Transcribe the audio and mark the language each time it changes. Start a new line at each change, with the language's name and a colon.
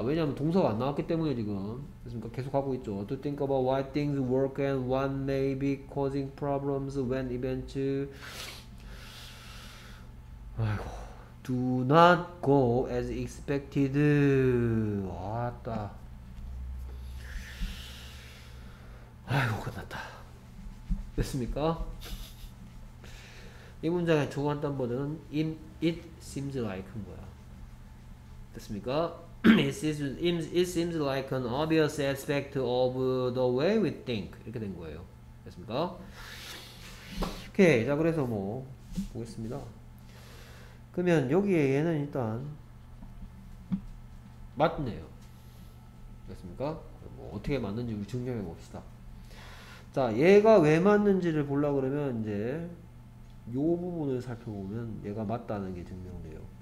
Korean: 왜냐하면 동사가 안 나왔기 때문에 지금. 그러니까 계속 하고 있죠.
English: To think about why things work and what may be causing problems when events.
Korean: 아이고.
English: Do not go as expected.
Korean: 왔다. 아이고, 끝났다. 됐습니까? 이 문장의 주관단 버전은
English: it seems like
Korean: 한 거야. 됐습니까?
English: It seems like an obvious aspect of the way we think.
Korean: 이렇게 된 거예요. 됐습니까? 오케이. 자, 그래서 뭐 보겠습니다. 그러면 여기에 얘는 일단 맞네요. 됐습니까? 뭐 어떻게 맞는지 우리 증명해 봅시다. 자, 얘가 왜 맞는지를 보려고 그러면 이제 요 부분을 살펴보면 얘가 맞다는 게 증명돼요.